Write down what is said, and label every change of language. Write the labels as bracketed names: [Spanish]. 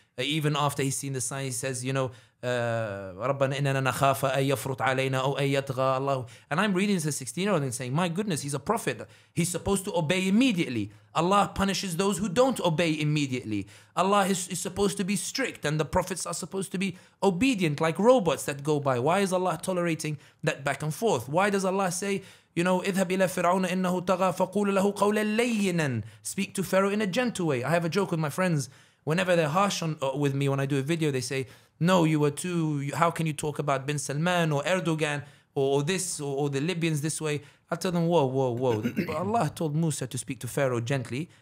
[English] Even after he's seen the sign, he says, you know, [Arabic] رَبَّنَا إِنَّنَا نَخَافَ أَن يَفْرُطْ عَلَيْنَا أَوْ أَن يَطْغَى اللَّهُ. [English] And I'm reading this as a 16-year-old and saying, my goodness, he's a prophet. He's supposed to obey immediately. Allah punishes those who don't obey immediately. Allah is supposed to be strict, and the prophets are supposed to be obedient like robots that go by. Why is Allah tolerating that back and forth? Why does Allah say, you know, [Arabic] اذهب إلى فرعون إنه طغى فقول له قولا لينا. [English] Speak to Pharaoh in a gentle way. I have a joke with my friends. Whenever they're harsh with me when I do a video, they say, no, you were too, how can you talk about bin Salman or Erdogan or this or the Libyans this way? I tell them, whoa, whoa, whoa. But Allah told Musa to speak to Pharaoh gently.